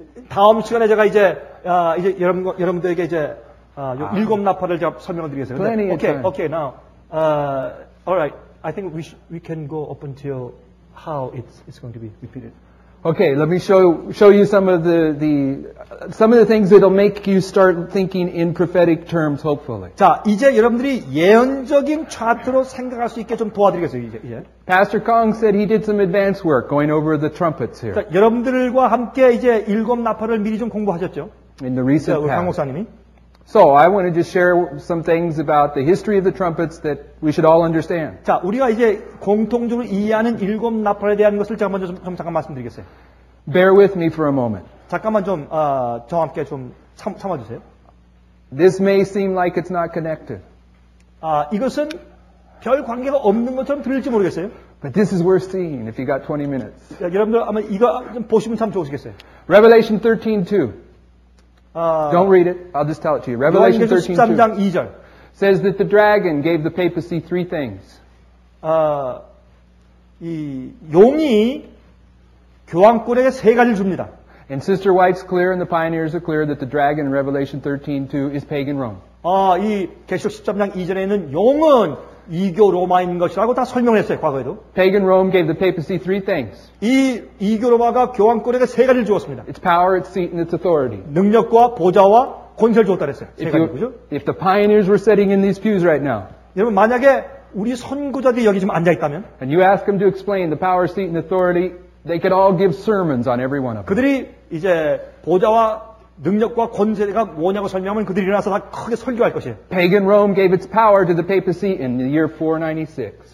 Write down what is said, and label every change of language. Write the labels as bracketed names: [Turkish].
[Korean] 다음 시간에 제가 이제 여러분들에게 이제 일곱 나팔을 제가 설명을 드리겠습니다. [English] Plenty of okay, Okay, now, all right. I think we can go up until how it's going to be repeated. Okay, let me show you some of the things that'll make you start thinking in prophetic terms. Hopefully. [Korean] 자, 이제 여러분들이 예언적인 차트로 생각할 수 있게 좀 도와드리겠습니다. 이제. [English] Pastor Kong said he did some advanced work going over the trumpets here. [Korean] 자, 여러분들과 함께 이제 일곱 나팔을 미리 좀 공부하셨죠? [English] In the recent past. [Korean] 우리 강 목사님이. [English] So I want to just share some things about the history of the trumpets that we should all understand. [Korean] 자, 우리가 이제 공통적으로 이해하는 일곱 나팔에 대한 것을 제가 먼저 좀 잠깐 말씀드리겠어요. [English] Bear with me for a moment. [Korean] 잠깐만 좀 저와 함께 좀 참아주세요. [English] This may seem like it's not connected. [Korean] 이것은 별 관계가 없는 것처럼 들릴지 모르겠어요. [English] But this is worth seeing if you got 20 minutes. [Korean] 야, 여러분들 아마 이거 좀 보시면 참 좋으시겠어요. [English] Revelation 13:2. Don't read it. I'll just tell it to you. Revelation 13:2 says that the dragon gave the papacy three things. [Korean] 이 용이 교황권에게 세 가지를 줍니다. [English] And Sister White's clear and the pioneers are clear that the dragon in Revelation 13:2 is pagan Rome. [Korean] 이 계시록 13장 2절에는 용은 이교 로마인 것이라고 다 설명했어요, 과거에도. [English] Pagan Rome gave the papacy three things. [Korean] 이 이교 로마가 교황권에게 세 가지를 주었습니다. [English] Its power, its seat, and its authority. [Korean] 능력과 보좌와 권세를 주었다 그랬어요. 세 가지죠. [English] If the pioneers were sitting in these pews right now. [Korean] 여러분 만약에 우리 선구자들이 여기 지금 앉아 있다면 [English] And you ask them to explain the power, seat, and authority, they could all give sermons on every one of them. [Korean] 그들이 이제 보좌와 능력과 권세가 뭐냐고 설명하면 그들이 일어나서 다 크게 설교할 것이에요. [English] Pagan Rome gave its power to the papacy in the year 496.